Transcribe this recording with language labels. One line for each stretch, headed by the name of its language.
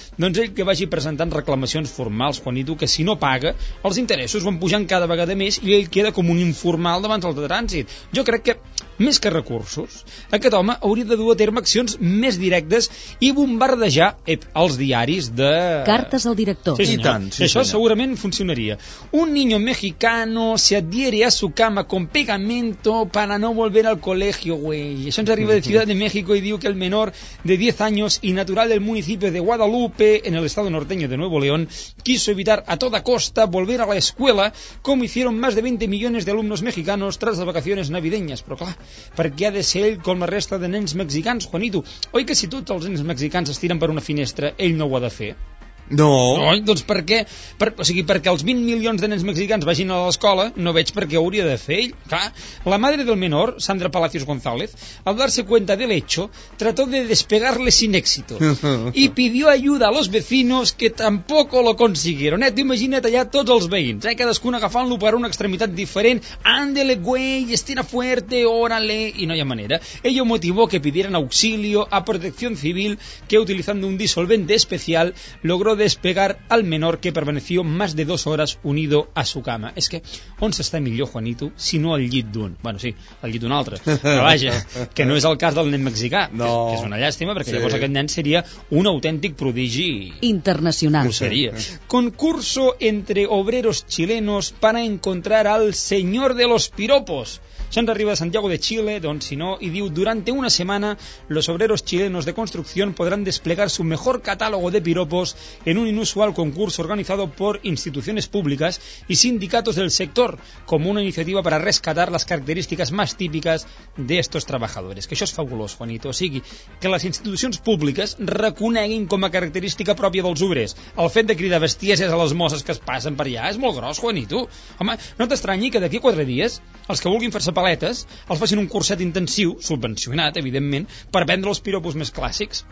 Catalan: Doncs ell que vagi presentant reclamacions formals, quan hi diu que si no paga, els interessos van pujant cada vegada més i ell queda com un informal davant del trànsit. Jo crec que, més que recursos, aquest home hauria de dur a terme accions més directes i bombardejar els diaris de... Cartes al director. Sí, senyor. I tant, sí, això senyor. Segurament funcionaria.
Spanish: Un niño mexicano se adhiere a su cama con pegamento para no volver al colegio, güey.
Catalan: Això ens arriba de Ciudad de México i diu que
Spanish: el menor de 10 años y natural del municipio de Guadalupe, en el estado norteño de Nuevo León, quiso evitar a toda costa volver a la escuela, como hicieron más de 20 millones de alumnos mexicanos tras las vacaciones navideñas.
Catalan: Però clar, perquè ha de ser ell com la resta de nens mexicans, Juanito, oi que si tots els nens mexicans es tiren per una finestra, ell no ho ha de fer? No. Oi? Doncs per què? Perquè els 20 milions de nens mexicans vagin a l'escola, no veig per què ho hauria de fer ell.
Spanish: Clar, la madre del menor, Sandra Palacios González, al darse cuenta del hecho, trató de despegarle sin éxito y pidió ayuda a los vecinos que tampoco lo consiguieron.
Catalan: T'ho imagina't allà tots els veïns, cadascun agafant-lo per una extremitat diferent.
Spanish: Ándele, güey, estira fuerte, órale,
Catalan: i no hi ha manera.
Spanish: Ello motivó que pidieran auxilio a Protección Civil, que utilizando un disolvente especial, logró despegar al menor, que permaneció más de 2 hores unido a su cama.
Catalan: És que on s'està millor, Juanito, si no al llit d'un? Bueno, sí, al llit d'un altre. Però vaja, que no és el cas del nen mexicà, no. Que és una llàstima, perquè sí. Llavors aquest nen seria un autèntic prodigi internacional. Ho seria.
Spanish: Concurso entre obreros chilenos para encontrar al señor de los piropos.
Catalan: Sandra arriba de Santiago de Chile, don Sino, y diu:
Spanish: durante una semana los obreros chilenos de construcción podrán desplegar su mejor catálogo de piropos en un inusual concurso organizado por instituciones públicas y sindicatos del sector como una iniciativa para rescatar las características más típicas de estos trabajadores.
Catalan: Que això és fabulós, Juanito. O sigui, que les institucions públiques reconeguin com a característica pròpia dels obrers el fet de cridar bestieses a les mosses que es passen per allà és molt gros, Juanito. Home, no t'estranyi que d'aquí a 4 dies els que vulguin fer-se paletes els facin un curset intensiu, subvencionat, evidentment, per aprendre els piropos més clàssics.